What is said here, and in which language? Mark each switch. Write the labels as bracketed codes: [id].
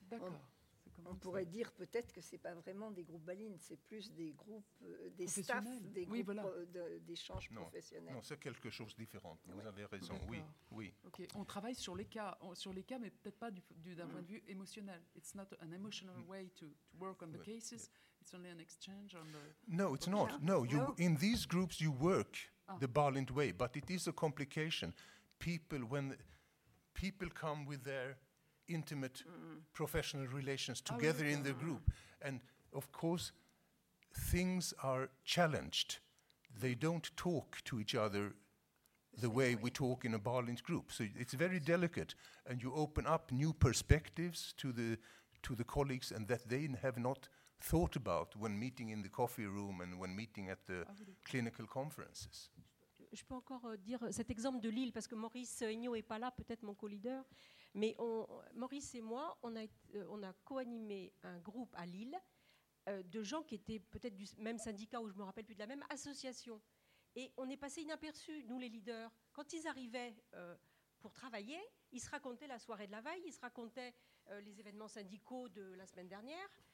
[fr] D'accord. On pourrait dire peut-être que c'est pas vraiment des groupes balines, c'est plus des groupes, des staffs, des groupes d'échanges professionnels. Non, c'est quelque chose de différent. Vous avez raison. D'accord. Oui. Ok. On travaille sur les cas, mais peut-être pas d'un point de vue émotionnel. [en] It's not an emotional way to work on the cases. Yeah. It's only an exchange on the. No, it's not. No, in these groups you work the Balint way, but it is a complication. People come with their intimate professional relations together in the group. And of course, things are challenged. They don't talk to each other the way we talk in a Berlint group. So it's very delicate. And you open up new perspectives to the colleagues and that they have not thought about when meeting in the coffee room and when meeting at the clinical conferences. [fr] Je peux encore dire cet exemple de Lille, parce que Maurice Aignot n'est pas là, peut-être mon co-leader. Mais Maurice et moi, on a co-animé un groupe à Lille de gens qui étaient peut-être du même syndicat ou je ne me rappelle plus, de la même association. Et on est passé inaperçus, nous les leaders. Quand ils arrivaient pour travailler, ils se racontaient la soirée de la veille, ils se racontaient les événements syndicaux de la semaine dernière.